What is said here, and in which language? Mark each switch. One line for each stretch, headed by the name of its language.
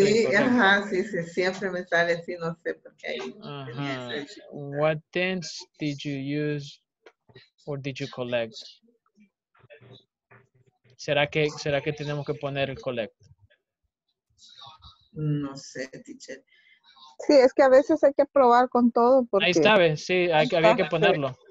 Spanish: Sí, ajá, sí, sí, siempre me sale así, no sé por qué. Uh-huh.
English: What things did you use or did you collect?
Spanish: ¿Será que tenemos que poner el collect? No sé, teacher. Sí, es que a veces hay que probar con todo. Porque... Ahí está, ¿ves? Sí, hay, había que ponerlo.